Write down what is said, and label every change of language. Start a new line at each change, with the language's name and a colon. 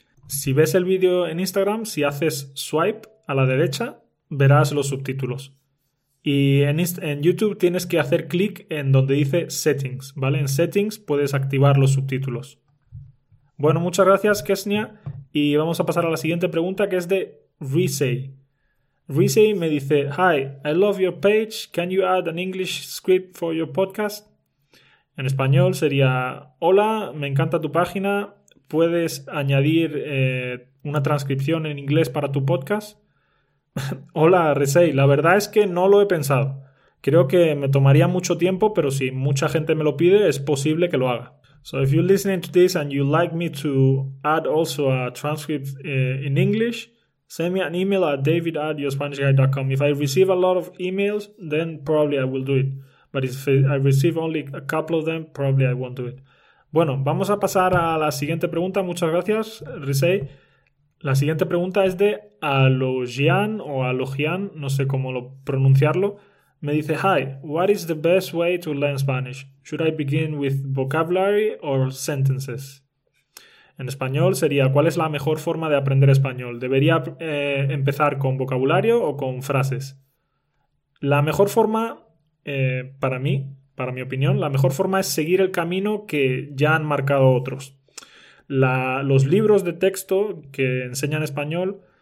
Spanish: Si ves el vídeo en Instagram, si haces swipe a la derecha, verás los subtítulos. Y en YouTube tienes que hacer clic en donde dice settings, ¿vale? En settings puedes activar los subtítulos. Bueno, muchas gracias, Kesnia. Y vamos a pasar a la siguiente pregunta, que es de Risei.
English: Risei
Spanish: me dice,
English: hi, I love your page. Can you add an English script for your podcast?
Spanish: En español sería, hola, me encanta tu página. ¿Puedes añadir una transcripción en inglés para tu podcast? Hola, Risei. La verdad es que no lo he pensado. Creo que me tomaría mucho tiempo, pero si mucha gente me lo pide, es posible que lo haga.
English: So if you're listening to this and you'd like me to add also a transcript in English, send me an email at david@yourspanishguide.com. If I receive a lot of emails, then probably I will do it. But if I receive only a couple of them, probably I won't do it.
Spanish: Bueno, vamos a pasar a la siguiente pregunta. Muchas gracias, Risei. La siguiente pregunta es de Alojian o Alojian, no sé cómo pronunciarlo. Me dice,
English: hi, what is the best way to learn Spanish? Should I begin with vocabulary or sentences?
Spanish: En español sería, ¿cuál es la mejor forma de aprender español? ¿Debería empezar con vocabulario o con frases? La mejor forma, para mí, para mi opinión, la mejor forma es seguir el camino que ya han marcado otros. Los libros de texto que enseñan español